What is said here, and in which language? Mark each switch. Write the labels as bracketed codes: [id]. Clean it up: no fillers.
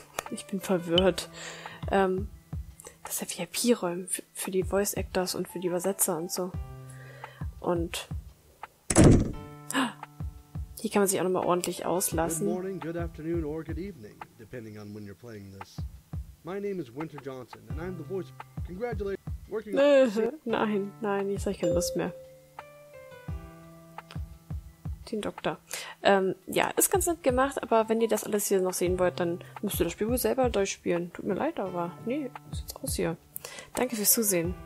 [de] Ich bin verwirrt. Das ist ja VIP-Räume für die Voice-Actors und für die Übersetzer und so. Und... hier kann man sich auch nochmal ordentlich auslassen. [en] Good morning, good afternoon or good evening, depending on when you're playing this. My name is Winter Johnson and I'm the voice. Congratulations. Working. [de] Nein, nein, jetzt habe ich keine Lust mehr. Den Doktor. Ja, ist ganz nett gemacht, aber wenn ihr das alles hier noch sehen wollt, dann müsst ihr das Spiel wohl selber durchspielen. Tut mir leid, aber nee, sieht's aus hier. Danke fürs Zusehen.